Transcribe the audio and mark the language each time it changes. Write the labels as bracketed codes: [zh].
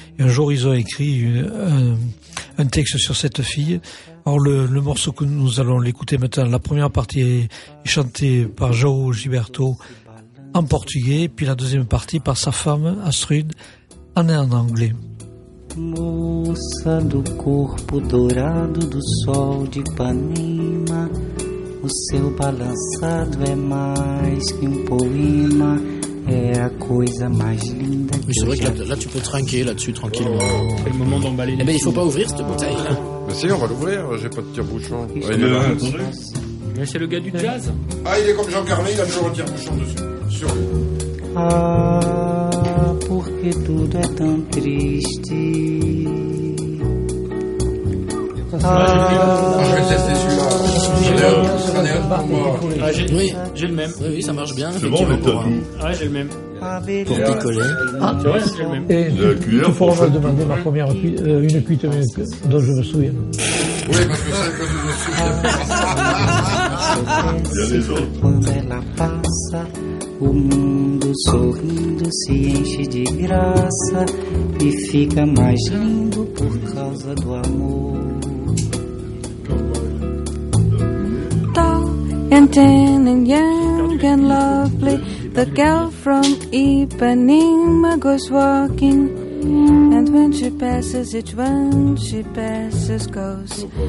[fr] Et un jour, ils ont écrit un texte sur cette fille. Alors le morceau que nous allons l'écouter maintenant, la première partie est chantée par João Gilberto en portugais, puis la deuxième partie par sa femme Astrid en anglais. [pt] Moça do corpo dourado do sol de Ipanema, o seu balançado é mais que poema. [fr] Oui, c'est vrai que là tu peux trinquer là-dessus tranquillement. Oh. C'est le moment d'emballer. Eh ben, il faut pas ouvrir cette bouteille là. Mais si, on va l'ouvrir, j'ai pas de tire-bouchon. Ah, il est là. Mais c'est le gars du jazz. Ah, il est comme Jean Carlet, il a toujours un tire-bouchon dessus. Sur lui. [pt] Ah, porque tudo é tão triste. [fr] Ah, je vais tester celui-là. J'ai le même. Oui, ça marche bien. C'est bon, mais t'as tout. Ouais, j'ai le même. Pour décoller. Ah, tu vois, j'ai le même. Et la cuillère. Tout pour on va demander ma première cuite, une cuite dont je me souviens. Oui, parce que c'est que je me souviens. Il y a les autres. [pt] O mundo sorrindo se enche de graça e fica mais lindo por causa do amor. [en] Tall and tan and young and lovely, the girl from Ipanema goes walking. And when she passes, each one she passes goes.